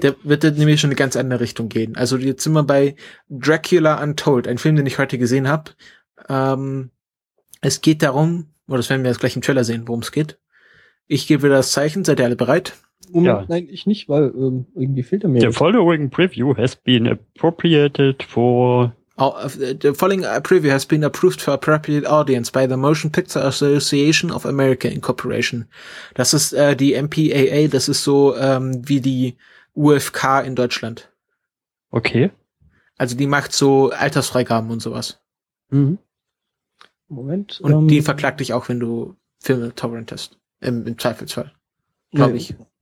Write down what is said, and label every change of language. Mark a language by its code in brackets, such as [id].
[de] Der wird nämlich schon eine ganz andere Richtung gehen. Also jetzt sind wir bei Dracula Untold, ein Film, den ich heute gesehen habe. Es geht darum, oder das werden wir jetzt gleich im Trailer sehen, worum es geht. Ich gebe das Zeichen, seid ihr alle bereit? Nein, ich nicht, weil irgendwie fehlt er mir. [en] The following preview has been appropriated for... Oh, the following preview has been approved for appropriate audience by the Motion Picture Association of America Incorporation. [de] Das ist die MPAA, das ist so wie die UFK in Deutschland. Okay. Also die macht so Altersfreigaben und sowas. Mhm. Moment. Und die verklagt dich auch, wenn du Filme torrentest. Im Zweifelsfall. Glaube ich.